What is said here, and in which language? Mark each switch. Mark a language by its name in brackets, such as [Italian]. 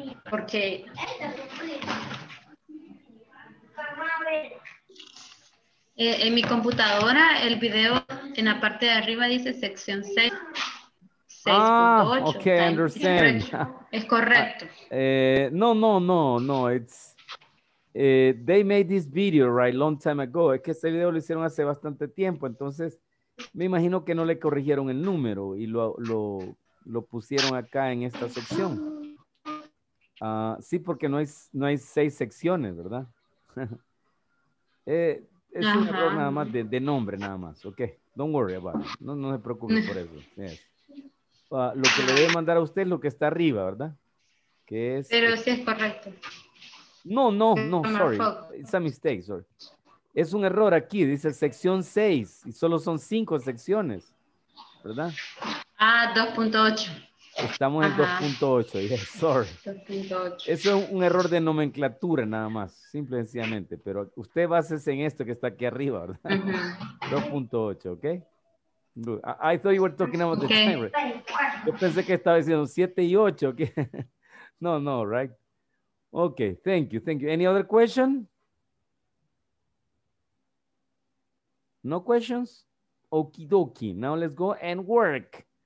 [Spanish] Porque en mi computadora el video en la parte de arriba dice sección 6.8. [English] Ah, okay, I understand. [Spanish] Es correcto. [English] No, it's they made this video right long time ago. [Spanish] Es que este video lo hicieron hace bastante tiempo, entonces me imagino que no le corrigieron el número y lo pusieron acá en esta sección. Sí, porque no hay 6 secciones, ¿verdad? es un error nada más de nombre, nada más. [English] Ok, don't worry about it. [Spanish] No se preocupe por eso. [English] Yes. [Spanish] Lo que le voy a mandar a usted es lo que está arriba, ¿verdad? Que es, pero sí es correcto. [English] No, sorry. It's a mistake, sorry. [Spanish] Es un error aquí, dice sección 6 y solo son 5 secciones, ¿verdad? Ah, 2.8. Estamos en 2.8, [English] yes, sorry. [Spanish] 2.8. Eso es un error de nomenclatura nada más, simple y sencillamente, pero usted básese en esto que está aquí arriba, ¿verdad? Uh-huh. 2.8, ¿ok? [English] I thought you were talking about the time. [Spanish] Yo pensé que estaba diciendo 7 y 8, ¿ok? No, right? [English] Ok, thank you. Any other question? No questions? Okie dokie. Now let's go and work.